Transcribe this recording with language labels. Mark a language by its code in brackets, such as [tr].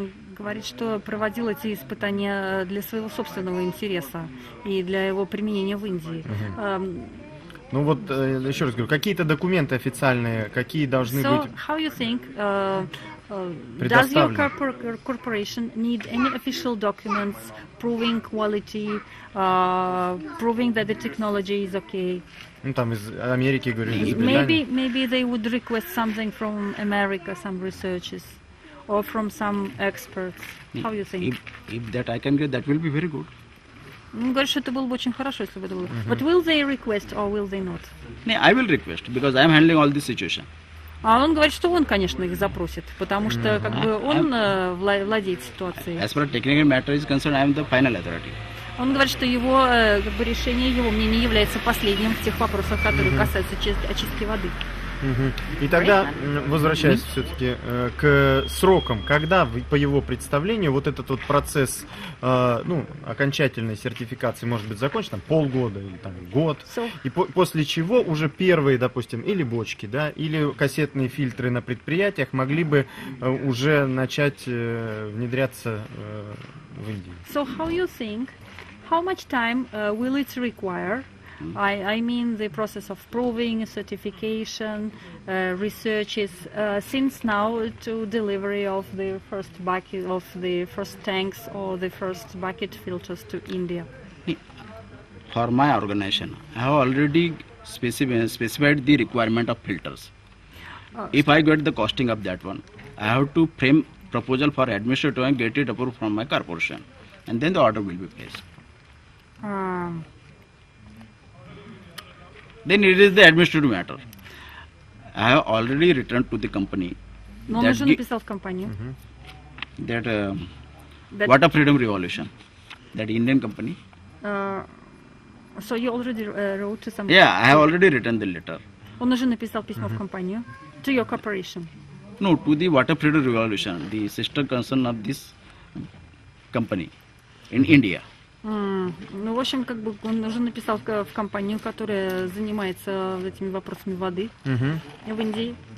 [ru] Говорит, что проводил эти испытания для своего собственного интереса и для его применения в Индии. Ну вот еще раз говорю, какие-то документы официальные, какие должны быть? [en] So how you think? Does your corporation need any official documents proving quality, proving that the technology is okay? [ru] Ну там из Америки говорю. [en] Maybe they would request something from America, some researches. Or from some experts. How you think? If that I can get, that will be very good. [ru] Говорит, что это было бы очень хорошо, если бы это было. [en] But will they request or will they not? I will request because I am handling all this situation. [ru] А он говорит, что он, конечно, их запросит, потому что как бы он владеет ситуацией. [en] As far as technical matter is concerned, I am the final authority. [ru] Он говорит, что его как бы решение, его мнение является последним в тех вопросах, которые касаются очистки воды. И тогда, возвращаясь все-таки к срокам, когда, по его представлению, вот этот вот процесс, ну, окончательной сертификации может быть закончен, там, полгода или там, год, и после чего уже первые, допустим, или бочки, да, или кассетные фильтры на предприятиях могли бы уже начать внедряться в Индии? [en] So how you think, how much time will it require? I mean the process of proving, certification, researches, since now to delivery of the first bucket of the first tanks or the first bucket filters to India. For my organization, I have already specified the requirement of filters. If I get the costing of that one, I have to frame proposal for administrator and get it approved from my corporation, and then the order will be placed. Then it is the administrative matter. I have already written to the company. [ru] Но он уже написал в компанию. [en] That Water Freedom Revolution, that Indian company. So you already wrote to some. Yeah, I have already written the letter. [ru] Он уже написал письмо в компанию. [en] To your corporation. No, to the Water Freedom Revolution, the sister concern of this company in India. [ru] Ну, в общем, как бы он уже написал в компанию, которая занимается этими вопросами воды в Индии.